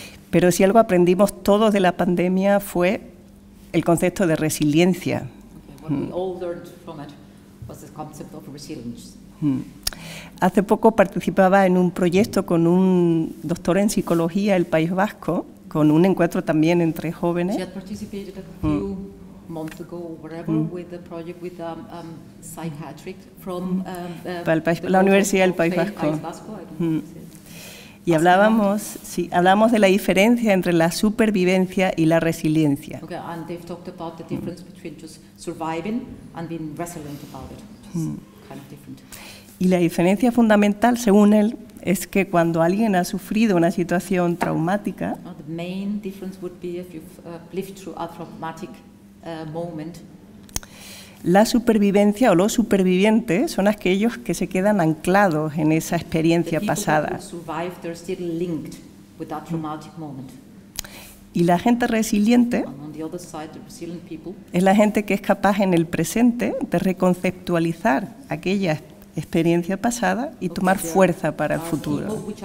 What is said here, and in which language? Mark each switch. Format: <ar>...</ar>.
<es>Pero si algo aprendimos todos de la pandemia fue el concepto de resiliencia.</es> <en>Okay, what we all learned from it was the concept of resilience.</en> <es>Hace poco participaba en un proyecto con un doctor en psicología del País Vasco, con un encuentro también entre jóvenes.</es> <en>She had participated a few months ago or whatever with the project with psychiatric from</en> <es>la Universidad del País Vasco. Y hablábamos de la diferencia entre la supervivencia y la resiliencia.</es> <en>Okay, and they've talked about the difference between just surviving and being resilient about it. Kind of different.</en> <es>Y la diferencia fundamental, según él, es que cuando alguien ha sufrido una situación traumática,</es> <en>the main difference would be if you've lived through a traumatic moment.</en> <es>La supervivencia o los supervivientes son aquellos que se quedan anclados en esa experiencia pasada.</es> <en>The people who survived, they're still linked with that traumatic moment.</en> <es>Y la gente resiliente,</es> <en>on the other side, the resilient people,</en> <es>es la gente que es capaz en el presente de reconceptualizar aquella experiencia pasada y tomar fuerza para el futuro.</es>